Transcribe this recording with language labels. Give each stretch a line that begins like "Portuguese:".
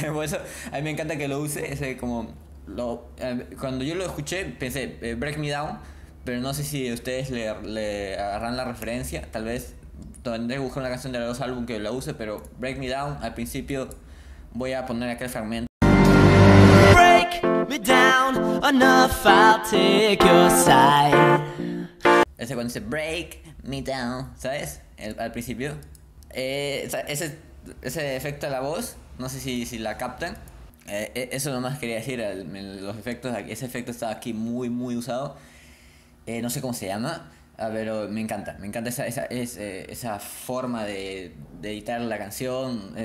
Spanish: Por eso, a mí me encanta que lo use. Ese como cuando yo lo escuché, pensé, Break Me Down, pero no sé si ustedes le agarran la referencia. Tal vez tendré que buscar una canción de los álbumes que lo use, pero Break Me Down, al principio voy a poner aquel fragmento.
English: Break me down, enough, I'll take your side.
Spanish: Ese cuando dice break me down, ¿sabes? Al principio. Ese efecto a la voz, no sé si la captan. Eso nomás quería decir, los efectos, ese efecto estaba aquí muy, muy usado. No sé cómo se llama, pero me encanta esa forma de editar la canción.